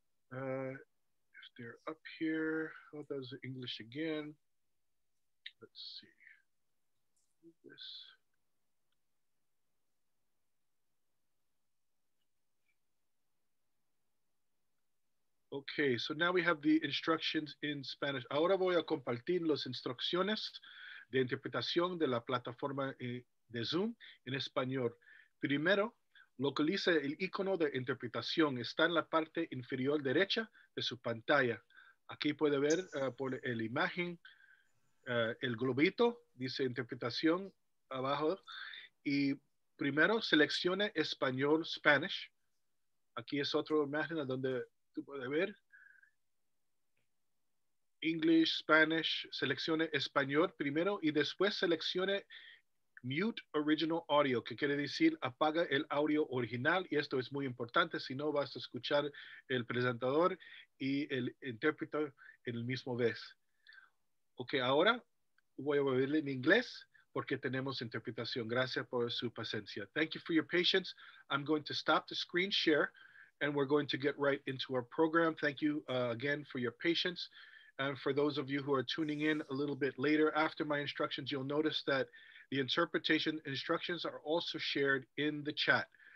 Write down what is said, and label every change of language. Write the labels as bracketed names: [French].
[English] If they're up here, oh, those are English again. Let's see. This. Okay, so now we have the instructions in Spanish. [Spanish] Ahora voy a compartir las instrucciones de interpretación de la plataforma de Zoom en español. Primero, localiza el icono de interpretación. Está en la parte inferior derecha de su pantalla. Aquí puede ver por la imagen el globito, dice interpretación abajo. Y primero seleccione español, Spanish. Aquí es otra imagen donde tú puedes ver. English, Spanish, seleccione español primero y después seleccione [English] mute original audio, [Spanish] que quiere decir apaga el audio original, y esto es muy importante, si no vas a escuchar el presentador y el intérprete en el mismo vez. Ok, ahora voy a volver en inglés porque tenemos interpretación. Gracias por su paciencia. [English] Thank you for your patience. I'm going to stop the screen share and we're going to get right into our program. Thank you again for your patience. And for those of you who are tuning in a little bit later after my instructions, you'll notice that the interpretation instructions are also shared in the chat.